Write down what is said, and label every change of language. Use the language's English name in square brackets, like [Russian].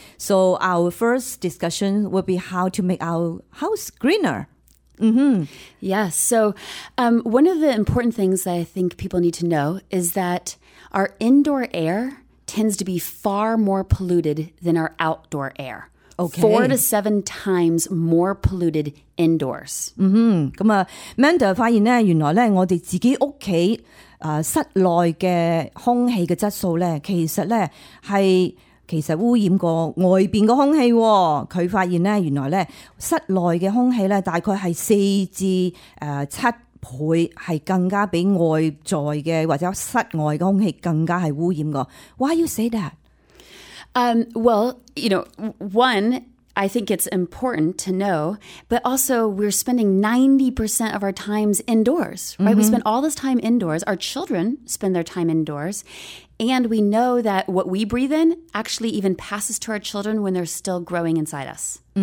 [English] So our first discussion will be how to make our house greener. Mm-hmm. Yes. So one of the important things that I think people need to know is that our indoor air. Tends to be far more polluted than our outdoor air. Okay. 4 to 7 times more polluted indoors. Mm-hmm. [Chinese] Manda 发现呢原来呢我们自己屋企室内的空气的质素呢其实呢是其实污染过外面的空气。他发现呢原来呢室内的空气呢大概是4至7倍是更加比外在的或者室外的空气更加是污染的。 [English] Why you say that? Well, you know, one, I think it's important to know, but also we're spending 90% of our times indoors, right? Mm-hmm. We spend all this time indoors. Our children spend their time indoors. And we know that what we breathe in actually even passes to our children when they're still growing inside us.